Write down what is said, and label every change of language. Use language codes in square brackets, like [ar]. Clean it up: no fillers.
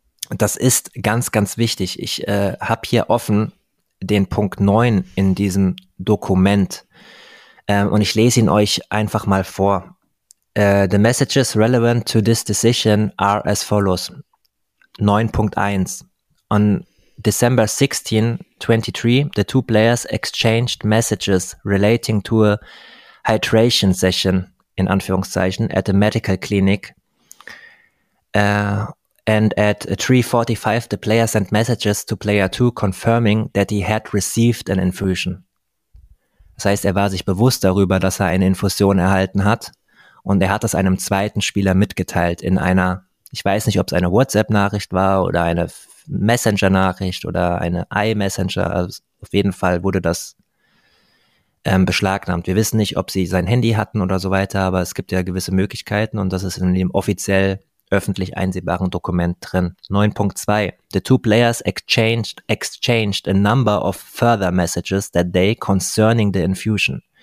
[de] Das ist ganz, ganz wichtig. Ich habe hier offen den Punkt 9 in diesem Dokument und ich lese ihn euch einfach mal vor. [en] The messages relevant to this decision are as follows. 9.1. On December 16, 23, the two players exchanged messages relating to a hydration session, [de] in Anführungszeichen, [en] at a medical clinic. And at 3:45, the player sent messages to player 2 confirming that he had received an infusion. [de] Das heißt, er war sich bewusst darüber, dass er eine Infusion erhalten hat. Und er hat es einem zweiten Spieler mitgeteilt in einer, ich weiß nicht, ob es eine WhatsApp-Nachricht war oder eine Messenger-Nachricht oder eine iMessenger. Also auf jeden Fall wurde das beschlagnahmt. Wir wissen nicht, ob sie sein Handy hatten oder so weiter, aber es gibt ja gewisse Möglichkeiten und das ist in dem offiziell öffentlich einsehbaren Dokument drin. 9.2. [en] The two players exchanged a number of further messages that day concerning the infusion.